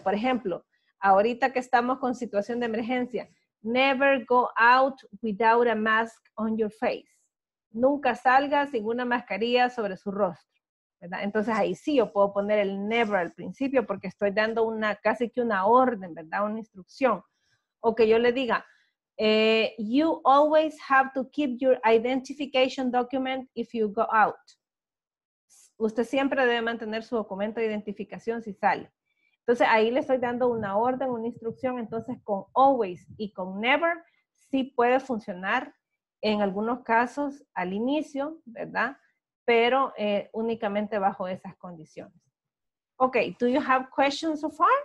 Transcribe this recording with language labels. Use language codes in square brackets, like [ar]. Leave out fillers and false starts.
[es] Por ejemplo, ahorita que estamos con situación de emergencia, [en] never go out without a mask on your face. [es] Nunca salga sin una mascarilla sobre su rostro, ¿verdad? Entonces ahí sí yo puedo poner el never al principio porque estoy dando una, casi que una orden, ¿verdad? Una instrucción. O que yo le diga, [en] you always have to keep your identification document if you go out. [es] Usted siempre debe mantener su documento de identificación si sale. Entonces, ahí le estoy dando una orden, una instrucción. Entonces, con always y con never, sí puede funcionar en algunos casos al inicio, ¿verdad? Pero únicamente bajo esas condiciones. [en] Ok, do you have questions so far?